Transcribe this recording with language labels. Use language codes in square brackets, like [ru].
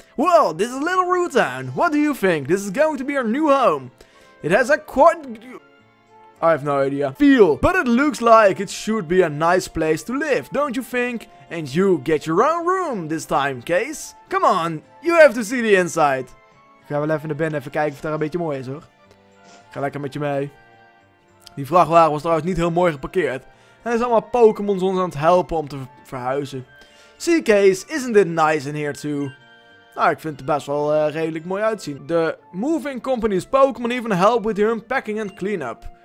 [en] Well, this is Little Root Town. What do you think? This is going to be our new home. It has a quite... I have no idea. Feel. But it looks like it should be a nice place to live, don't you think? And you get your own room this time, Kees. Come on, you have to see the inside. [nl] Ik ga wel even naar binnen, even kijken of het daar een beetje mooi is, hoor. Ik ga lekker met je mee. Die vrachtwagen was trouwens niet heel mooi geparkeerd. En hij is allemaal Pokémon's ons aan het helpen om te verhuizen. [en] See, Kees, isn't it nice in here too? [nl] Nou, ik vind het best wel redelijk mooi uitzien. [en] The moving company's Pokémon even help with your unpacking and cleanup.